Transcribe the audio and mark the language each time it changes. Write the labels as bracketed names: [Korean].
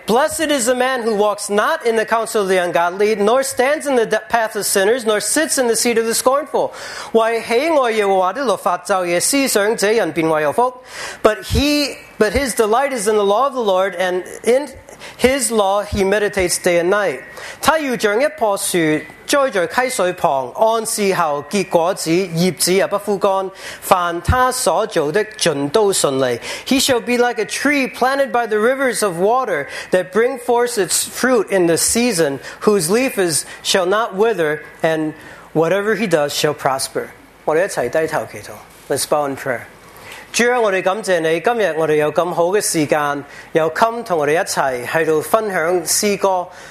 [English] Blessed is the man who walks not in the counsel of the ungodly, nor stands in the path of sinners, nor sits in the seat of the scornful. [Chinese] 為喜愛耶和華的律法，晝夜思想，這人便為有福。 [English] But his delight is in the law of the Lord, and in his law he meditates day and night. [Chinese] 他如像一棵樹 栽在溪水旁，按時候結果子，葉子也不枯乾。凡他所做的，盡都順利。 [English] He shall be like a tree planted by the rivers of water that bring forth its fruit in the season, whose leaf is shall not wither, and whatever he does shall prosper. [Chinese] 我們一起低頭祈禱。 [English] Let's bow in prayer. [Chinese] 主啊，我們感謝你，今天我們有這麼好的時間，又come同我們一起分享詩歌。